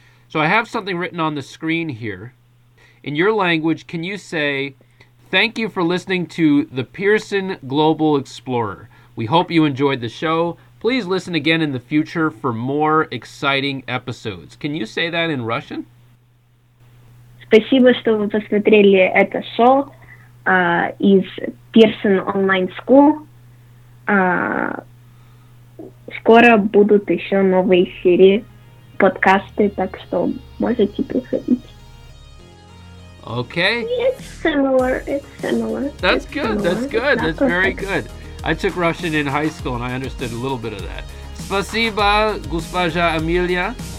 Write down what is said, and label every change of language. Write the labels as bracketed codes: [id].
[en] So I have something written on the screen here. In your language, can you say, thank you for listening to the Pearson Global Explorer. We hope you enjoyed the show. Please listen again in the future for more exciting episodes. Can you say that in Russian? [ru] Спасибо, что вы посмотрели это шоу. Из Pearson Online School. Скоро будут еще новые серии подкасты, так что можете приходить. [en] Okay. It's similar. That's good. Similar. That's good. That's perfect. Very good. I took Russian in high school and I understood a little bit of that. [ru] Спасибо, госпожа Амелия.